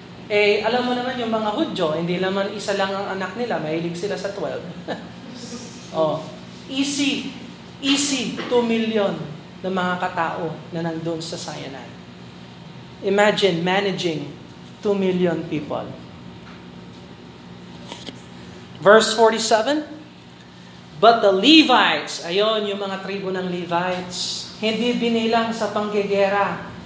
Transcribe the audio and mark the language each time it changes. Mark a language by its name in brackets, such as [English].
[Filipino] Eh, alam mo naman yung mga Hudyo, hindi naman isa lang ang anak nila, mahilig sila sa 12. Easy 2 million na mga katao na nandun sa Sinai. [English] Imagine managing 2 million people. [Filipino] Verse 47, [English] but the Levites, [Filipino] ayon yung mga tribu ng Levites, hindi binilang sa panggegera.